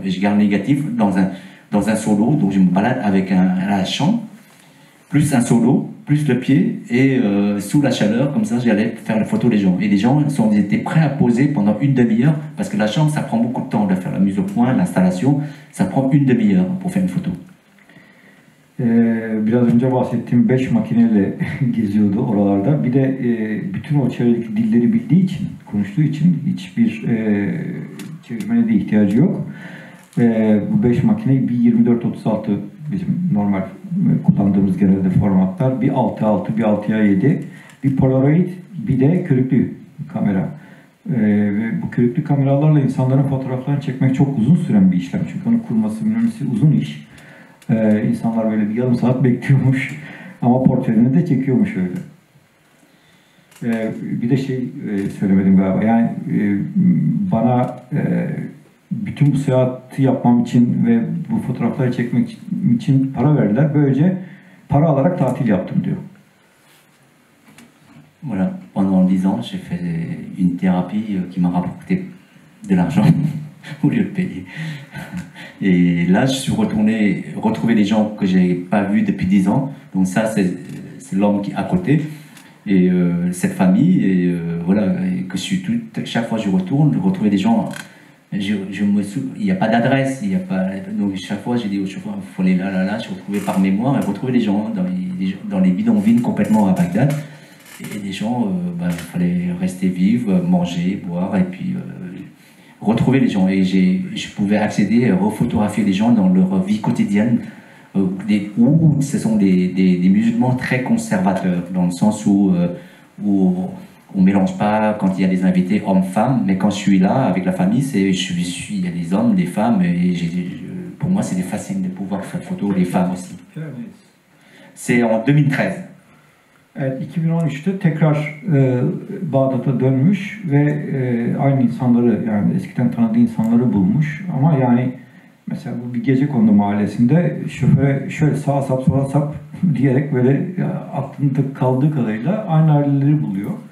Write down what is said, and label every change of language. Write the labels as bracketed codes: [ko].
[fr] Et je garde le négatif dans un solo, donc je me balade avec la chambre, plus un solo, plus le pied, et sous la chaleur, comme ça j'allais faire la photo des gens. Et les gens étaient prêts à poser pendant une demi-heure, parce que la chambre ça prend beaucoup de temps de faire la mise au point, l'installation, ça prend une demi-heure pour faire une photo. [tr] Biraz önce bahsettiğim 5 makineyle geziyordu oralarda. Bir de bütün o çevredeki dilleri bildiği için, konuştuğu için hiçbir çevirmene de ihtiyacı yok. Bu 5 makine bir 24-36 bizim normal kullandığımız genelde formatlar. Bir 6-6, bir 6-7, bir Polaroid, bir de körüklü kamera. Ve bu körüklü kameralarla insanların fotoğraflarını çekmek çok uzun süren bir işlem. Çünkü onun kurması, mühendisliği uzun iş. İnsanlar böyle bir yarım saat bekliyormuş ama portrelerini de çekiyormuş öyle. Bir de şey söylemedim galiba, yani bana bütün bu seyahati yapmam için ve bu fotoğrafları çekmek için para verdiler. Böylece para alarak tatil yaptım diyor. [fr] Voilà, pendant 10 ans j'ai fait une thérapie qui m'a rapporté de l'argent. Au lieu de payer. Et là, je suis retourné retrouver des gens que je n'ai pas vus depuis 10 ans. Donc ça, c'est l'homme qui est à côté. Et cette famille, et voilà, et que chaque fois que je retourne, retrouver des gens, il n'y a pas d'adresse. Donc chaque fois, j'ai dit, il faut aller là, je retrouvais par mémoire, et retrouver des gens dans les bidonvilles complètement à Bagdad. Et des gens, il fallait rester vivre, manger, boire, et puis... retrouver les gens, et je pouvais accéder et refotographier les gens dans leur vie quotidienne où ce sont des musulmans très conservateurs, dans le sens où on ne mélange pas quand il y a des invités hommes-femmes, mais quand je suis là avec la famille, il y a des hommes, des femmes, et pour moi c'était facile de pouvoir faire photo des femmes aussi. C'est en 2013. [tr] Evet, 2013'te tekrar Bağdat'a dönmüş ve aynı insanları, yani eskiden tanıdığı insanları bulmuş. Ama yani mesela bu bir gecekondu mahallesinde şoföre şöyle sağa sap sola sap diyerek böyle aklında kaldığı kadarıyla aynı aileleri buluyor.